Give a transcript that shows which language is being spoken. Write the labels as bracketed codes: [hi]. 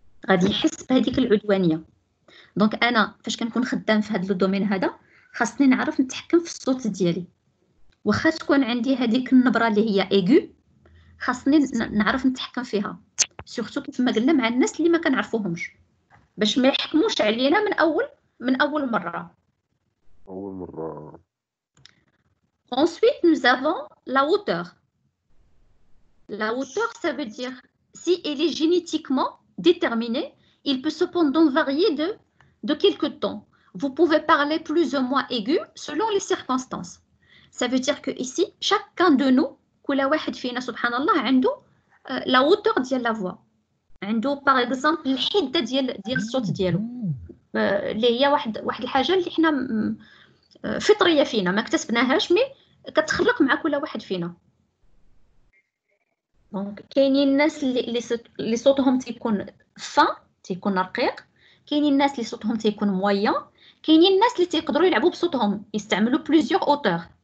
[ar] غادي يحس بهذيك العدوانيه دونك انا فاش كنكون خدام في هذا الدومين هذا خاصني نعرف نتحكم في الصوت ديالي واخا تكون عندي هذيك النبره اللي هي ايغو خاصني نعرف نتحكم فيها سورتو كيف ما قلنا مع الناس اللي ما كنعرفوهمش باش ما يحكموش علينا من اول مره اول مره [fr] Ensuite, nous avons la hauteur. La hauteur, ça veut dire si elle est génétiquement déterminée, il peut cependant varier de quelques tons. Vous pouvez parler plus ou moins aigu selon les circonstances. Ça veut dire que ici, chacun de nous, [ar] kula wahed fina subhanallah, عنده [fr] la hauteur ديال la voix. [ar] عنده [fr] par exemple [ar] الحده ديال الصوت ديالو. اللي هي واحد الحاجه اللي حنا فطريه فينا ما اكتسبناهاش مي كتخلق مع كل واحد فينا دونك كاينين الناس اللي صوتهم تيكون فان تيكون رقيق كاينين الناس اللي صوتهم تيكون مويان كاينين الناس اللي تيقدروا يلعبوا بصوتهم يستعملوا بلوزيغ اوتور